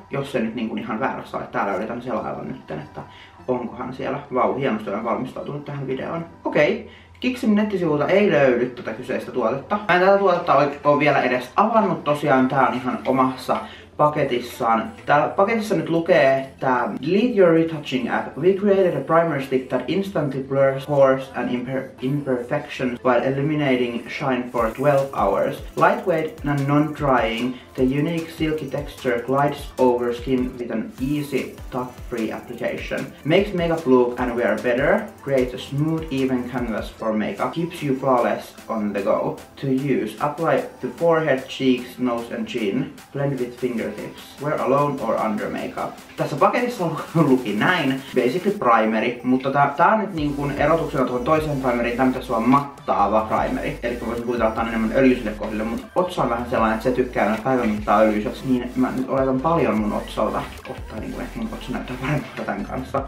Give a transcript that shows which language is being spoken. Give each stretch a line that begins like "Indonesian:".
Finnish: Jos se nyt niin kuin ihan väärässä ole, täällä yritän selailla nytten, että onkohan siellä. Vau, hienosti olen valmistautunut tähän videoon. Okei. Kixin nettisivulta ei löydy tätä kyseistä tuotetta. Mä en tätä tuotetta ole vielä edes avannut, tosiaan tää on ihan omassa paketissaan. Täällä paketissa nyt lukee, että
English: delete your retouching app. We created a primer stick that instantly blurs pores and imperfections while eliminating shine for 12 hours. Lightweight and non-drying, the unique silky texture glides over skin with an easy, tough-free application. Makes makeup look and wear better. Creates a smooth, even canvas for makeup. Keeps you flawless on the go. To use, apply to forehead, cheeks, nose and chin. Blend with fingertips. Wear alone or under makeup.
Finnish: Tässä paketissa luki näin, basically primeri, mutta tää on nyt niin kuin erotuksena tuohon toiseen primeriin, tämä pitäisi olla mattaava primeri. Eli mä voisin kuvitella, että tää on enemmän öljyisille kohdille, mutta otsa on vähän sellainen, että se tykkää näitä päivän mittaa öljyiseksi, niin mä nyt oletan paljon mun otsalta ottaa niin kuin, että mun otsa näyttää paremmalta tämän kanssa.